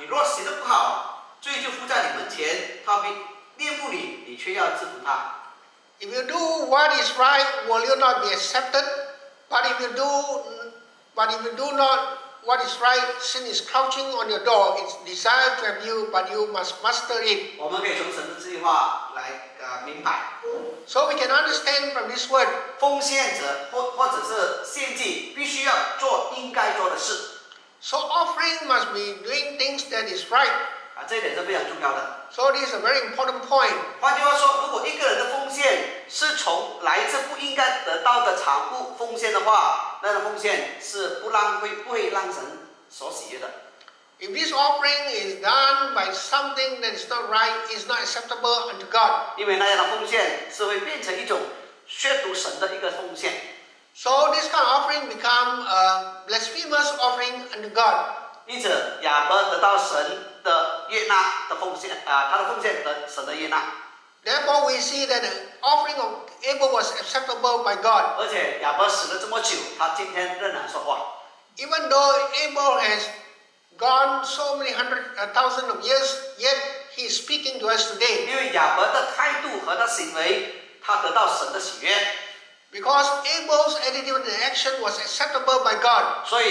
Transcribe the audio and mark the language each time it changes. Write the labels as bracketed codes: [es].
[zh] 第七节，他说：“若你行得好，必蒙岂不蒙悦纳？你若行得不好，罪就伏在你门前，他必。” 恋慕你，你却要制服他。 [en] If you do what is right, will you not be accepted? But if you do, not what is right, sin is crouching on your door. It's desire to have you, but you must master it. [zh] 我们可以从神的这句话来明白。 [en] So we can understand from this word. [zh] 奉献者或者是献祭，必须要做应该做的事。 [en] So offering must be doing things that is right. [zh] 这一点是非常重要的。 [en] So this is a very important point. [zh] 换句话说，如果一个人的奉献是从来自不应该得到的财物奉献的话，那个奉献是不浪费、不会让神所喜悦的。 [en] If this offering is done by something that is not right, it's not acceptable unto God. [zh] 因为那样的奉献是会变成一种亵渎神的一个奉献。 [en] So this kind of offering become a blasphemous offering unto God. [zh] 因此亚伯得到神的悦纳的奉献，他的奉献得神的悦纳。 [en] Therefore we see that the offering of Abel was acceptable by God. [zh] 而且亚伯死了这么久，他今天仍然说话。 [en] Even though Abel has gone so many hundred, thousand of years, yet he is speaking to us today. [zh] 因为亚伯的态度和他行为，他得到神的喜悦。 [en] Because Abel's attitude and action was acceptable by God.